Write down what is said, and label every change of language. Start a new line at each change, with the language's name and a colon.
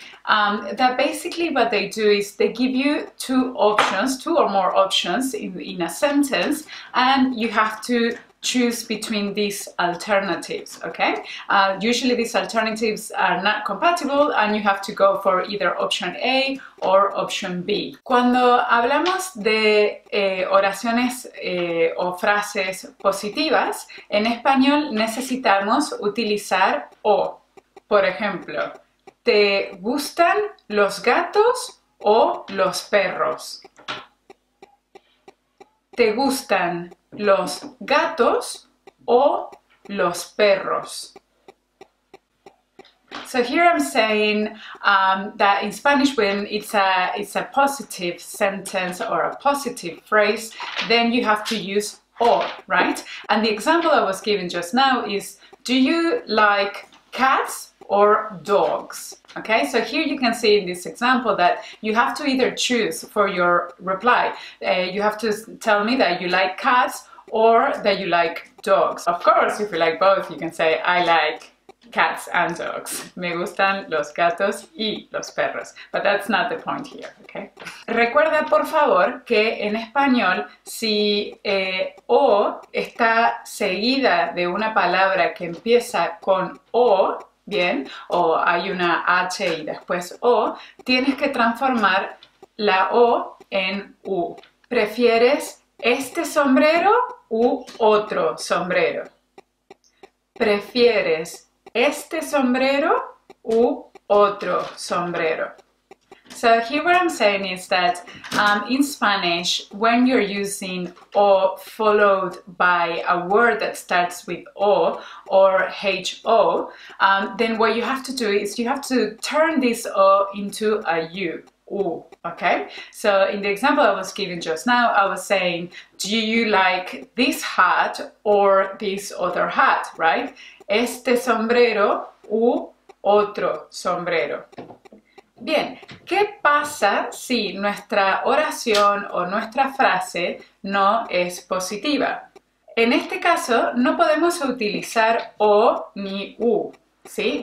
English: That basically what they do is they give you two or more options in a sentence and you have to choose between these alternatives, okay? Usually these alternatives are not compatible and you have to go for either option A or option B.
Spanish: Cuando hablamos de oraciones o frases positivas, en español necesitamos utilizar o. Por ejemplo, ¿te gustan los gatos o los perros? ¿Te gustan los gatos o los perros?
English: So here I'm saying that in Spanish when it's a positive sentence or a positive phrase, then you have to use o, right? And the example I was giving just now is, do you like cats or dogs? Okay, so here you can see in this example that you have to either choose for your reply. You have to tell me that you like cats or that you like dogs. Of course, if you like both, you can say, I like cats and dogs.
Spanish: Me gustan los gatos y los perros.
English: But that's not the point here, okay?
Spanish: Recuerda, por favor, que en español, si o está seguida de una palabra que empieza con o, bien, o hay una H y después O, tienes que transformar la O en U. ¿Prefieres este sombrero u otro sombrero? ¿Prefieres este sombrero u otro sombrero?
English: So here what I'm saying is that in Spanish, when you're using o followed by a word that starts with o or h-o, then what you have to do is you have to turn this o into a u, u, okay? So in the example I was giving just now, I was saying, do you like this hat or this other hat, right?
Spanish: Este sombrero u otro sombrero. Bien, ¿qué pasa? pasa si nuestra oración o nuestra frase no es positiva? En este caso, no podemos utilizar o ni u, ¿sí?